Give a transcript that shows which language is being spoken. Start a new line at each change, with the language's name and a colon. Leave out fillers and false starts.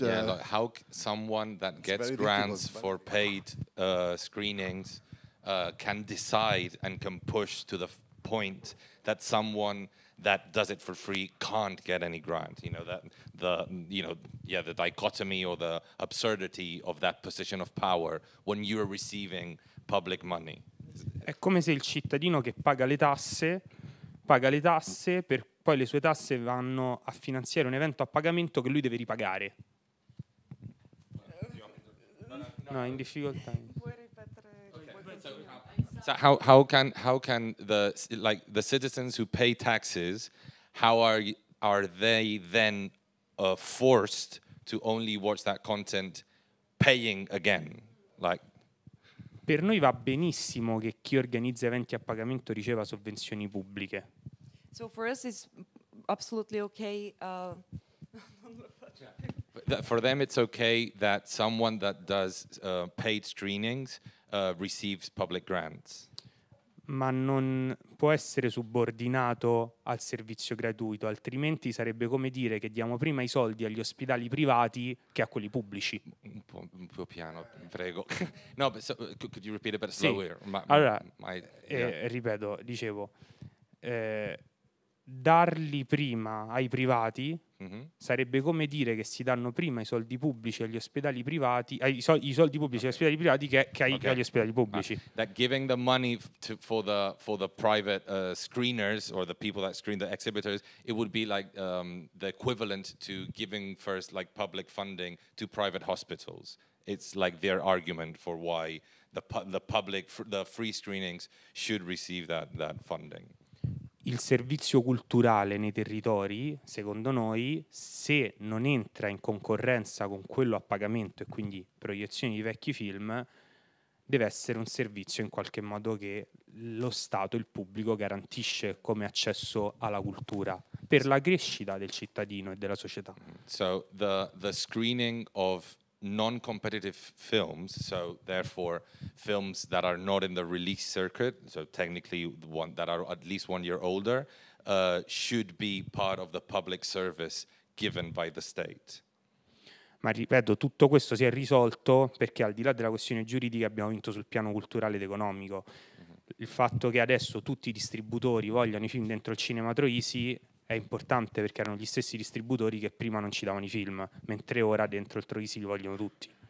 English: So, yeah, like how someone that gets grants for paid screenings can decide and can push to the point that someone that does it for free can't get any grant. You know, that the dichotomy or the absurdity of that position of power when you are receiving public money.
Italian: È come se il cittadino che paga le tasse, per poi le sue tasse vanno a finanziare un evento a pagamento che lui deve ripagare. No, in difficoltà.
English: So how can the the citizens who pay taxes, how are they then forced to only watch that content paying again? Like,
Italian: per noi va benissimo che chi organizza eventi a pagamento riceva sovvenzioni pubbliche.
English: So for us it's absolutely okay. For them, it's okay that someone that does paid screenings receives public grants.
Italian: Ma non può essere subordinato al servizio gratuito, altrimenti sarebbe come dire che diamo prima i soldi agli ospedali privati che a quelli pubblici. Un po' piano, prego.
English: No, but so, could you repeat a bit slower?
Italian: Sì. Ripeto, dicevo, darli prima ai privati sarebbe come dire che si danno prima i soldi pubblici agli ospedali privati, i soldi pubblici agli ospedali privati che agli ospedali pubblici.
English: That giving the money for the private screeners or the people that screen the exhibitors, it would be like the equivalent to giving first like public funding to private hospitals. It's like their argument for why the free screenings should receive that funding.
Italian: Il servizio culturale nei territori, secondo noi, se non entra in concorrenza con quello a pagamento e quindi proiezioni di vecchi film, deve essere un servizio in qualche modo che lo Stato, il pubblico, garantisce come accesso alla cultura per la crescita del cittadino e della società.
English: So the screening of non-competitive films, so therefore films that are not in the release circuit, so technically one that are at least 1 year older, should be part of the public service given by the state.
Italian: Ma ripeto, tutto questo si è risolto perché al di là della questione giuridica abbiamo vinto sul piano culturale ed economico. Il fatto che adesso tutti i distributori vogliano i film dentro il Cinema Troisi è importante perché erano gli stessi distributori che prima non ci davano i film, mentre ora dentro il Troisi li vogliono tutti.